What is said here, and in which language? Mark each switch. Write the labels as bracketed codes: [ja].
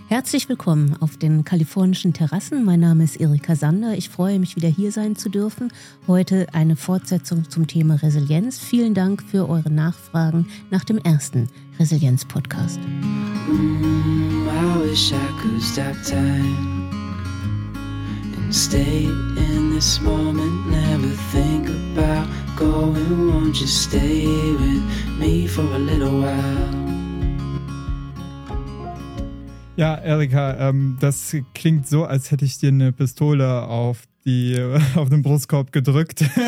[de] Herzlich willkommen auf den kalifornischen Terrassen. Mein Name ist Erika Sander. Ich freue mich, wieder hier sein zu dürfen. Heute eine Fortsetzung zum Thema Resilienz. Vielen Dank für eure Nachfragen nach dem ersten Resilienz-Podcast. [en] I wish I could stop time and stay in this moment. Never think about going. Won't you stay with me for a little while? [de] Ja, Erika, das klingt so, als hätte ich dir eine Pistole auf den Brustkorb gedrückt.